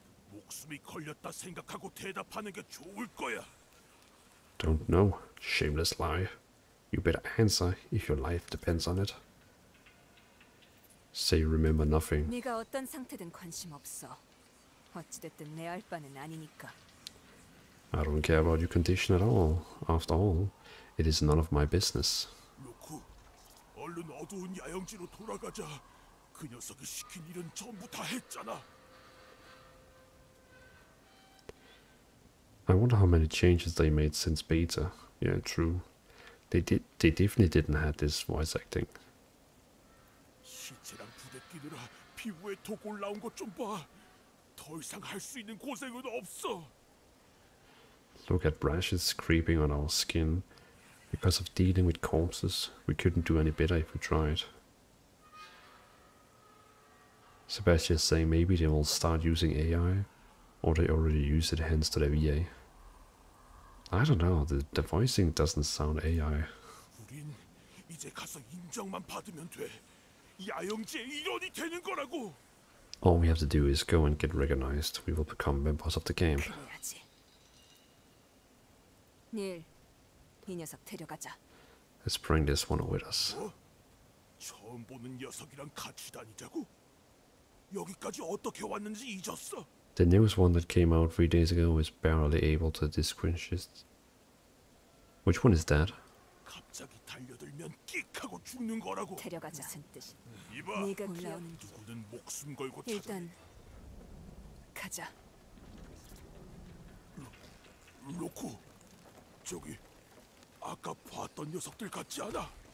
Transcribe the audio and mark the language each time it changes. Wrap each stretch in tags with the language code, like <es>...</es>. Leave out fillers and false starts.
<ko>목숨이 걸렸다 생각하고 대답하는 게 좋을 거야.</ko> <en>Don't know. Shameless lie. You better answer if your life depends on it. Say you remember nothing.</en> <ko>네가 어떤 상태든 관심 없어. 어찌됐든 내 알바는 아니니까.</ko> <en>I don't care about your condition at all. After all, it is none of my business.</en> <ko>로쿠, 얼른 어두운 야영지로 돌아가자. 그 녀석이 시킨 일은 전부 다 했잖아.</ko> <en>I wonder how many changes they made since beta. Yeah, true. They definitely didn't have this voice acting.</en> <ko>신체랑 부대끼느라 피부에 독 올라온 것 좀 봐. 더 이상 할 수 있는 고생은 없어.</ko> <en>Look at rashes creeping on our skin. Because of dealing with corpses, we couldn't do any better if we tried. Sebastian's saying maybe they will start using AI, or they already use it, hence to the VA. I don't know, the voicing doesn't sound AI.</en> <ko>우린 이제 가서 인정만 받으면 돼. 야영지의 일원이 되는 거라고.</ko> <en>All we have to do is go and get recognized. We will become members of the game.</en> <ko>그래야지. 닐, 이 녀석 데려가자. Let's bring this one with us. 뭐? 처음 보는 녀석이랑 같이 다니자고? 여기까지 어떻게 왔는지 잊었어?</ko> <en>The newest one that came out 3 days ago is barely able to distinguish. Which one is that?</en> <ko>갑자기 달려들면 끽하고 죽는 거라고. 데려가자. 무슨 뜻이? 이봐. 네가 누구든 목숨 걸고 찾아. 일단 가자. 로쿠, 저기 아까 봤던 녀석들 같지 않아?</ko>